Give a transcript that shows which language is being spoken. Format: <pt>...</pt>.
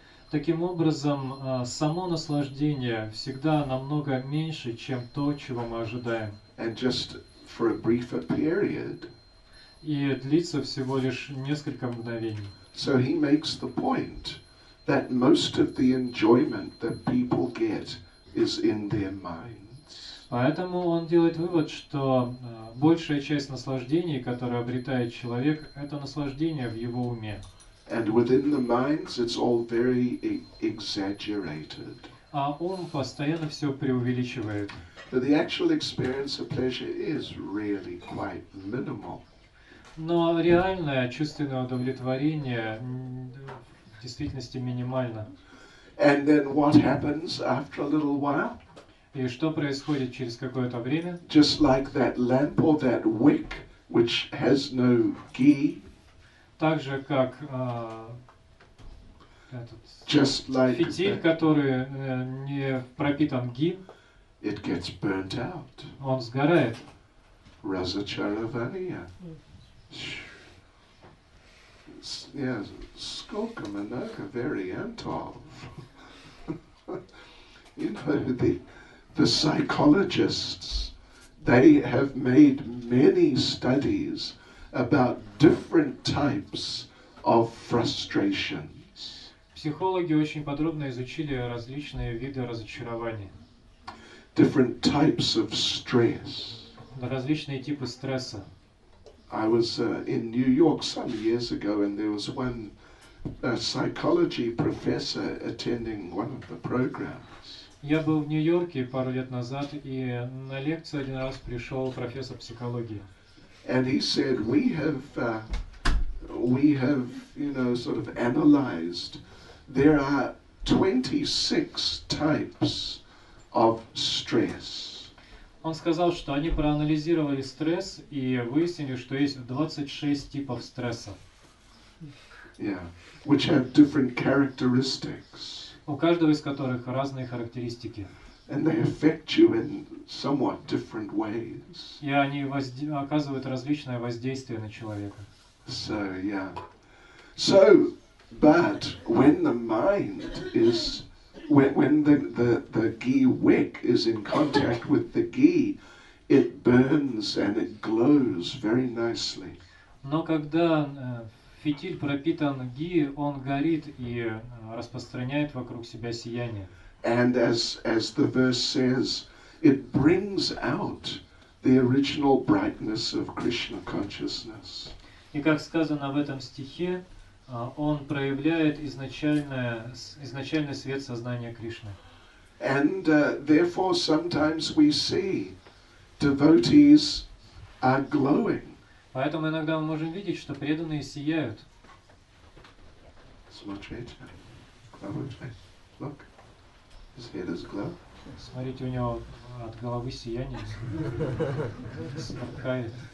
<ru>Таким образом, само наслаждение всегда намного меньше, чем то, чего мы ожидаем.</ru> <en>And just for a briefer period.</en> <ru>И длится всего лишь несколько мгновений.</ru> <en>So he makes the point that most of the enjoyment that people get is in their minds.</en> <ru>Поэтому он делает вывод, что большая часть наслаждений, которое обретает человек, это наслаждение в его уме.</ru> <en>And within the minds, it's all very exaggerated.</en> <ru>А ум постоянно все преувеличивает.</ru> <en>But the actual experience of pleasure is really quite minimal.</en> <ru>Но реальное чувственное удовлетворение в действительности минимально.</ru> <en>And then what happens after a little while?</en> <ru>И что происходит через какое-то время?</ru> <en>Just like that lamp or that wick, which has no ghee.</en> <ru>Так же, как этот</ru> <en>like</en> <ru>фитиль,</ru> <en>that,</en> <ru>который не пропитан ги,</ru> <en>it gets burnt out.</en> <ru>Он сгорает. Разочарование. Yeah, skokum and oka very antov.</ru> <en>You know, the psychologists, they have made many studies about different types of frustrations.</en> <ru>Психологи очень подробно изучили различные виды разочарования.</ru> <en>Different types of stress.</en> <ru>Различные типы стресса.</ru> <en>I was in New York some years ago, and there was one psychology professor attending one of the programs.</en> <ru>Я был в Нью-Йорке пару лет назад, и на лекцию один раз пришел профессор психологии.</ru> <en>And he said, we have, you know, sort of analyzed. There are 26 types of stress.</en> <ru>Он сказал, что они проанализировали стресс и выяснили, что есть 26 типов стресса.</ru> <en>Yeah, which have different characteristics.</en> <ru>У каждого из которых разные характеристики.</ru> <en>And they affect you in somewhat different ways.</en> <ru>И они оказывают различное воздействие на человека.</ru> <en>So, yeah. So, but when the mind is when the ghee wick is in contact with the ghee, it burns and it glows very nicely.</en> <ru>Но когда фитиль пропитан ghee, он горит и распространяет вокруг себя сияние.</ru> <en>And as the verse says, it brings out the original brightness of Krishna consciousness.</en> <ru>И как сказано в этом стихе, он проявляет изначальный свет сознания Кришны.</ru> <en>And therefore sometimes we see devotees are glowing.</en> <ru>Поэтому иногда мы можем видеть, что преданные сияют. Смотрите,</ru> <en>look, his head is glow.</en> <ru>Смотрите, у него от головы сияние сверкает.</ru>